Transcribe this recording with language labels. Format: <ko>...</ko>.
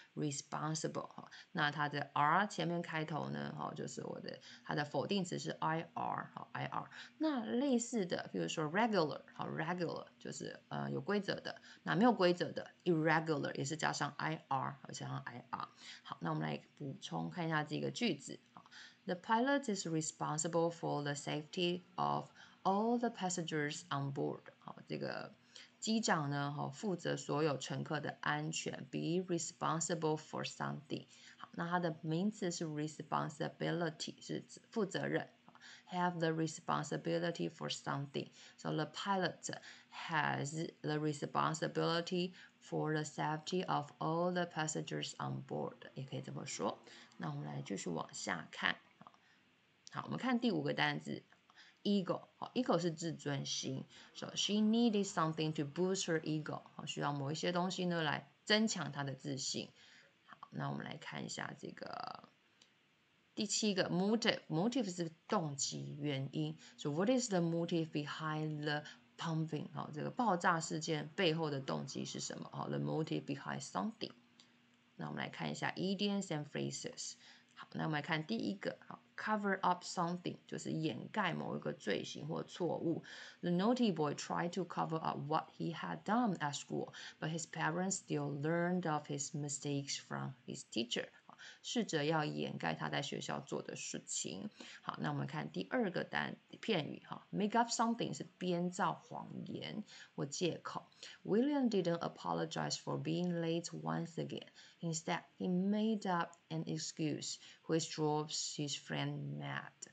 <zh>responsible 哈，那它的 r 前面开头呢，哈，就是我的它的否定词是 ir 哈 ，ir。那类似的，比如说 regular 哈 ，regular 就是有规则的，那没有规则的 irregular 也是加上 ir 哈，加上 ir。好，那我们来补充看一下这个句子。</zh> <en>The pilot is responsible for the safety of all the passengers on board.</en> <zh>好，这个机长呢，好，负责所有乘客的安全。</zh> <en>Be responsible for something.</en> <zh>好，那它的名词是 responsibility， 是负责任。</zh> <en>Have the responsibility for something. So the pilot has the responsibility for the safety of all the passengers on board.</en> <zh>也可以这么说。那我们来继续往下看。好，我们看第五个单字 ，ego。好 ，ego 是自尊心。</zh> <en>So she needed something to boost her ego。</en> <zh>好，需要某一些东西呢来增强她的自信。好，那我们来看一下这个第七个 motive。 motive 是动机、原因。</zh> <en>So what is the motive behind the pumping？</en> <zh>好，这个爆炸事件背后的动机是什么？</zh> <en>好 ，the motive behind something。</en> <zh>那我们来看一下</zh> <en>idioms and phrases。</en> <zh>好，那我们来看第一个，好 ，</zh> <en>cover up something</en> <zh>就是掩盖某一个罪行或错误。</zh> <en>The naughty boy tried to cover up what he had done at school, but his parents still learned of his mistakes from his teacher。</en> <zh>试着要掩盖他在学校做的事情。好，那我们看第二个单片语，哈 ，</zh> <en>make up something</en> <zh>是编造谎言或借口。</zh> <en>William didn't apologize for being late once again. Instead, he made up an excuse which drove his friend mad.</en>